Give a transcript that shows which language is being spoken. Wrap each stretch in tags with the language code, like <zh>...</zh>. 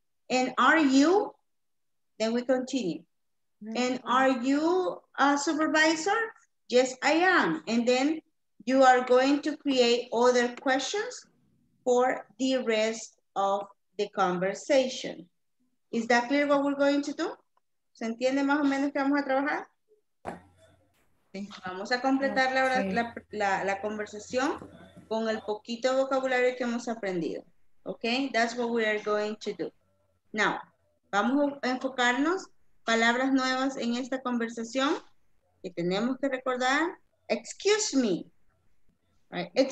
<en>And are you? Then we continue. And are you a supervisor? Yes, I am. And then you are going to create other questions for the rest of the conversation. Is that clear what we're going to do?</en> <es>¿Se entiende más o menos que vamos a trabajar? Vamos a completar la conversación con el poquito vocabulario que hemos aprendido.</es> <en>Okay, that's what we are going to do.</en> <es>Now, vamos a enfocarnos palabras nuevas en esta conversación que tenemos que recordar.</es> <en>Excuse me.</en> <es>Right.</es>